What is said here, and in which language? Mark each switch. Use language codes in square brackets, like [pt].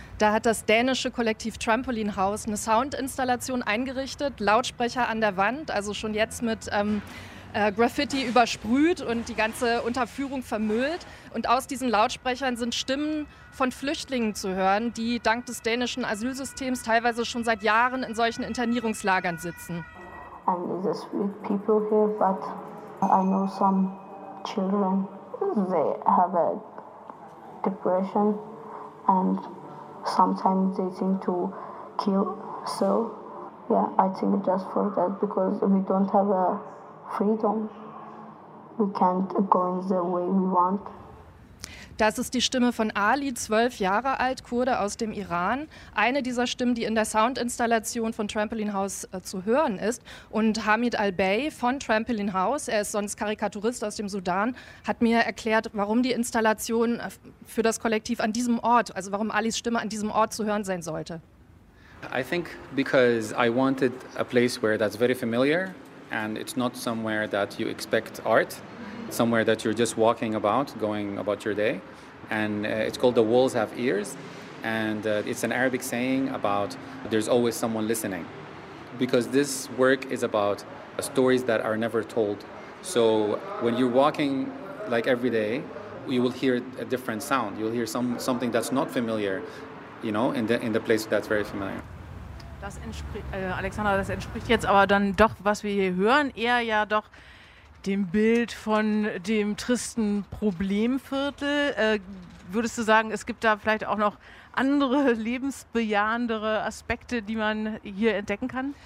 [de] Da hat das dänische Kollektiv Trampoline House eine Soundinstallation eingerichtet, Lautsprecher an der Wand, also schon jetzt mit Graffiti übersprüht und die ganze Unterführung vermüllt. Und aus diesen Lautsprechern sind Stimmen von Flüchtlingen zu hören, die dank des dänischen Asylsystems teilweise schon seit Jahren in solchen Internierungslagern sitzen. [en] And there's weird people here, but I know some children, they have a depression and sometimes they think to kill. So, yeah, I think just for that, because we don't have a freedom. We can't go in the way we want. [de] Das ist die Stimme von Ali, 12 Jahre alt, Kurde aus dem Iran. Eine dieser Stimmen, die in der Soundinstallation von Trampoline House zu hören ist. Und Hamid Al-Bey von Trampoline House, er ist sonst Karikaturist aus dem Sudan, hat mir erklärt, warum die Installation für das Kollektiv an diesem Ort, also warum Alis Stimme an diesem Ort zu hören sein sollte. [en] I think because I wanted a place where that's very familiar and it's not somewhere that you expect art. Somewhere that you're just walking about, going about your day. And it's called The Walls Have Ears. And it's an Arabic saying about there's always someone listening. Because this work is about stories that are never told. So when you're walking like every day, you will hear a different sound. You'll hear something that's not familiar, you know, in the place that's very familiar. [de] Das Alexandra, das entspricht jetzt aber dann doch, was wir hier hören, eher ja doch dem Bild von dem tristen Problemviertel. Würdest du sagen, es gibt da vielleicht auch noch andere lebensbejahendere Aspekte, die man hier entdecken kann?